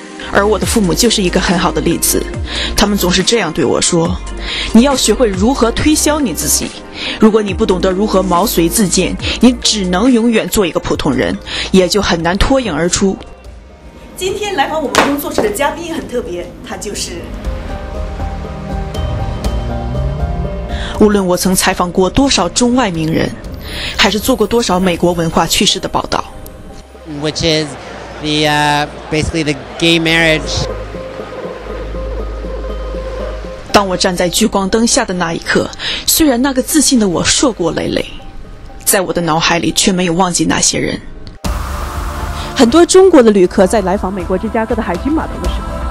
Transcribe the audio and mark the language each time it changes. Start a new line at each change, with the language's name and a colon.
Chinese: 而我的父母就是一个很好的例子，他们总是这样对我说，你要学会如何推销你自己，如果你不懂得如何毛遂自荐，你只能永远做一个普通人，也就很难脱颖而出。今天来访我们工作室的嘉宾很特别，他就是，无论我曾采访过多少中外名人，还是做过多少美国文化趣事的报道，
English: Which is the, basically the gay marriage.
Chinese: 当我站在聚光灯下的那一刻，虽然那个自信的我硕果累累，在我的脑海里却没有忘记那些人。很多中国的旅客在来访美国芝加哥的海军码头的时候，